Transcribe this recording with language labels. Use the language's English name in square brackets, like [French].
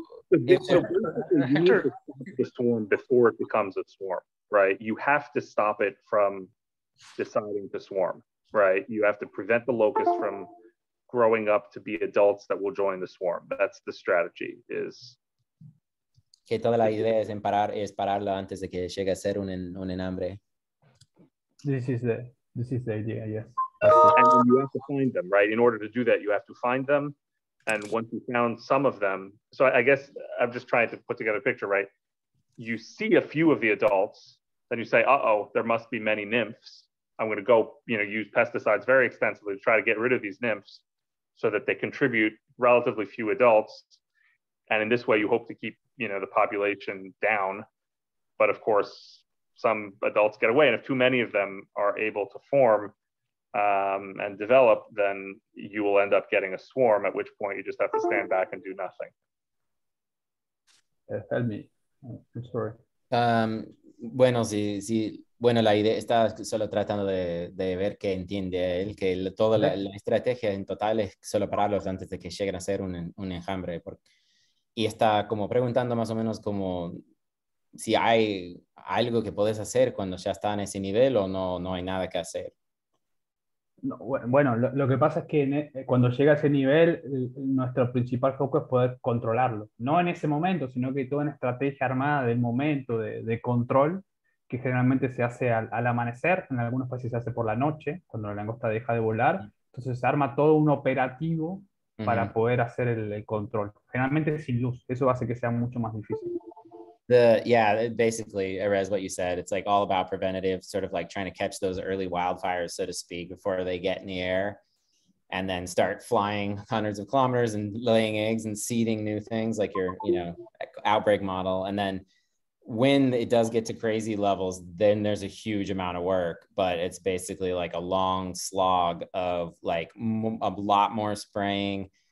[English] the swarm before it becomes a swarm, right? You have to stop it from deciding to swarm, right? You have to prevent the locust from growing up to be adults that will join the swarm. That's the strategy, is [Spanish] que toda la idea es pararlo antes de que llegue a ser un enambre. [English] This is the idea, yes. And then you have to find them, right? In order to do that, you have to find them. And once you found some of them, so I guess I'm just trying to put together a picture, right? You see a few of the adults, then you say, uh-oh, there must be many nymphs. I'm gonna go, you know, use pesticides very extensively to try to get rid of these nymphs so that they contribute relatively few adults. And in this way, you hope to keep, you know, the population down. But of course, some adults get away. And if too many of them are able to form and develop, then you will end up getting a swarm, at which point you just have to stand back and do nothing. Tell me, I'm sorry. [Spanish] Bueno, la idea está solo tratando de ver qué entiende él, que toda la estrategia en total es solo pararlos antes de que lleguen a ser un enjambre. Y está como preguntando más o menos como si hay algo que puedes hacer cuando ya está en ese nivel o no hay nada que hacer. No, bueno, lo que pasa es que cuando llega a ese nivel, nuestro principal foco es poder controlarlo. No en ese momento, sino que toda una estrategia armada del momento de control, que generalmente se hace al amanecer, en algunos países se hace por la noche, cuando la langosta deja de volar, entonces se arma todo un operativo para poder hacer el control. Generalmente sin luz, eso hace que sea mucho más difícil. [English] Basically, Erez, what you said, it's like all about preventative, sort of like trying to catch those early wildfires, so to speak, before they get in the air, and then start flying hundreds of kilometers and laying eggs and seeding new things, like your, you know, outbreak model, and then when it does get to crazy levels, then there's a huge amount of work, but it's basically like a long slog of like a lot more spraying,